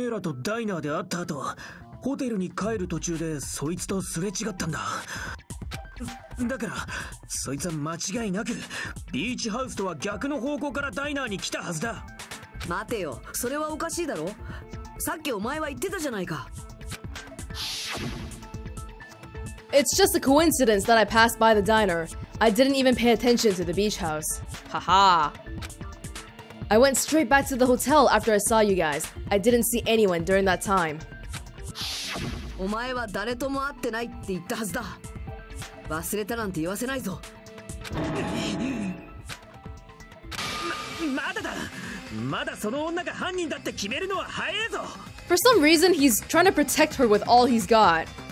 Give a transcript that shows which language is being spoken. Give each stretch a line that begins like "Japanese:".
Japanese: いや、俺が見てるぞ。は？俺はてめえらとダイナーで会った後、 ホテルに帰る途中でそいつとすれ違ったんだ。だから、そいつは間違いなくビーチハウスとは逆の方向からダイナーに来たはずだ。待てよ、それはおかしいだろ。さっきお前は言ってたじゃないか。
English: It's just a coincidence that I passed by the diner. I didn't even pay attention to the beach house. Haha. I went straight back to the hotel after I saw you guys. I didn't see anyone during that time.
Japanese: お前は誰とも会ってないって言ったはずだ。忘れたなんて言わせないぞ。まだだ。まだその女が犯人だって決めるのは早いぞ。
English: For some reason, he's trying to protect her with all he's got.